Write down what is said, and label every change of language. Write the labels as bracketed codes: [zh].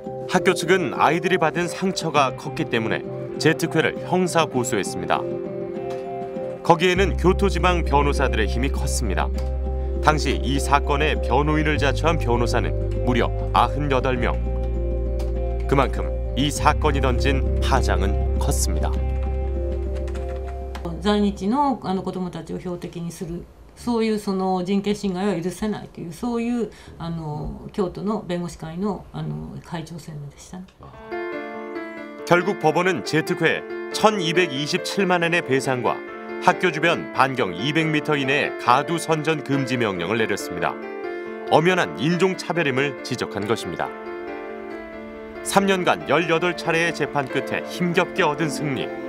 [ko] 학교 측은 아이들이 받은 상처가 컸기 때문에 제트회를 형사 고소했습니다. 거기에는 교토지방 변호사들의 힘이 컸습니다. 당시 이 사건의 변호인을 자처한 변호사는 무려 98명. 그만큼 이 사건이 던진 파장은 컸습니다. [ja] 在日の子供たちを標的にする そういうその人権侵害は許せないというそういうあの京都の弁護士会のあの会長選でした。 [ko] 결국 법원은 제트회 1,227만 원의 배상과 학교 주변 반경 200m 이내에 가두 선전 금지 명령을 내렸습니다. 엄연한 인종 차별임을 지적한 것입니다. 3년간 18차례의 재판 끝에 힘겹게 얻은 승리.